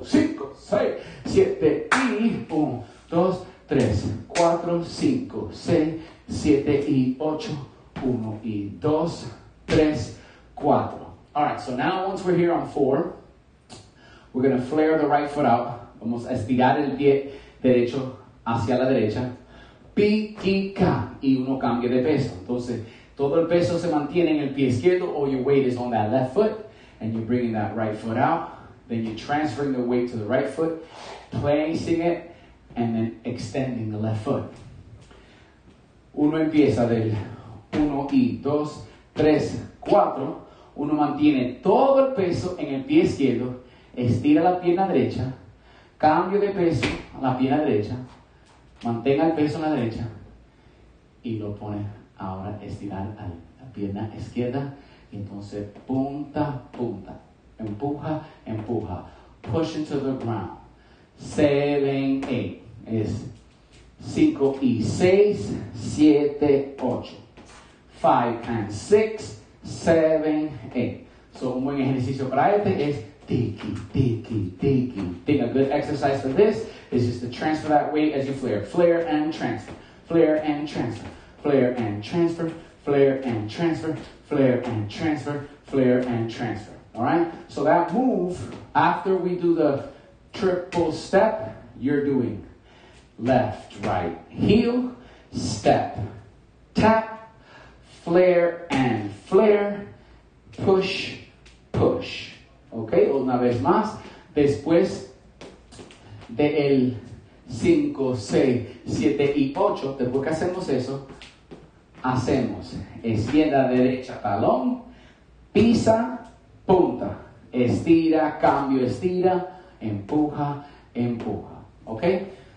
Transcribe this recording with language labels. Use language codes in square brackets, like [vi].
[es] 5, 6, 7 y 1, 2, 3, 4, 5, 6, 7 y 8. 1 y 2, 3, 4. [en] All right, so now once we're here on 4, we're going to flare the right foot out. [es] Vamos a estirar el pie derecho hacia la derecha, piquica, y uno cambia de peso. Entonces, todo el peso se mantiene en el pie izquierdo, [en] all your weight is on that left foot, and you're bringing that right foot out, then you're transferring the weight to the right foot, placing it, and then extending the left foot. [es] Uno empieza del 1 y 2, 3, 4, uno mantiene todo el peso en el pie izquierdo, estira la pierna derecha, cambio de peso a la pierna derecha, mantenga el peso en la derecha y lo pone ahora estirar a la pierna izquierda y entonces punta, punta, empuja, empuja, [en] push into the ground. [es] 7, 8, es 5 y 6, 7, 8, 5 and 6, 7, 8. So un buen ejercicio para este es tiki, tiki, tiki. [en] Think a good exercise for this is just to transfer that weight as you flare. Flare and transfer. Flare and transfer. Flare and transfer. Flare and transfer. Flare and transfer. Flare and transfer. All right? So that move, after we do the triple step, you're doing left, right, heel, step, tap, flare and flare, push, push. [es] Okay, una vez más, después de el 5, 6, 7 y 8, después que hacemos eso, hacemos izquierda, derecha, talón, pisa, punta, estira, cambio, estira, empuja, empuja. Okay,